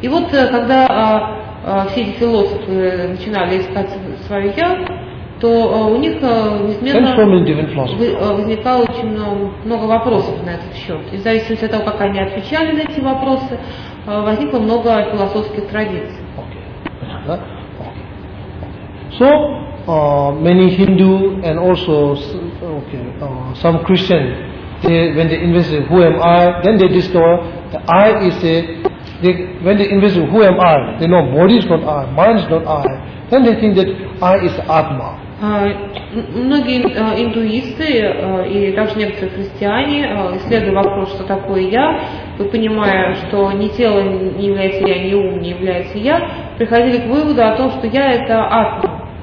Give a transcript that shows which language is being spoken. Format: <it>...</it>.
<ru>И вот когда все эти философы начинали искать свое я, то у них неизменно возникало очень много вопросов на этот счет. И в зависимости от того, как они отвечали на эти вопросы, возникло много философских традиций.</ru> <en>So many Hindu and also some Christian, they, when they investigate who am I, then they discover that I is a. When they investigate who am I, they know body is not I, mind is not I. Then they think that I is Atma.</en> <ru>Многие индуисты и также некоторые христиане, исследуя вопрос, что такое я, и понимая, что ни тело не является я, ни ум не является я, приходили к выводу о том, что я – это атма.</ru>